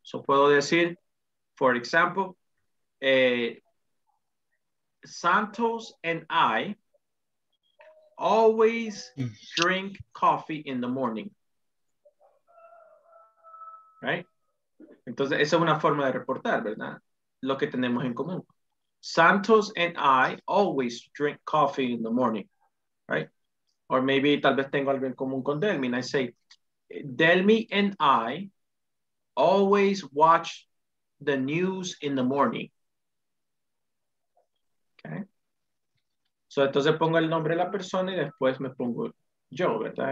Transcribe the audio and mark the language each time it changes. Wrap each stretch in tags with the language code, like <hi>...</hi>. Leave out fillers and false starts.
<en>So,</en> <es>puedo decir,</es> <en>for example, Santos and I always drink coffee in the morning. Right?</en> <es>Entonces, esa es una forma de reportar, ¿verdad? Lo que tenemos en común.</es> <en>Santos and I always drink coffee in the morning. Right? Or maybe,</en> <es>tal vez tengo algo en común con Delmi.</es> <en>And I say, Delmi and I always watch the news in the morning. Okay? So,</en> <es>entonces pongo el nombre de la persona y después me pongo yo, ¿verdad?</es>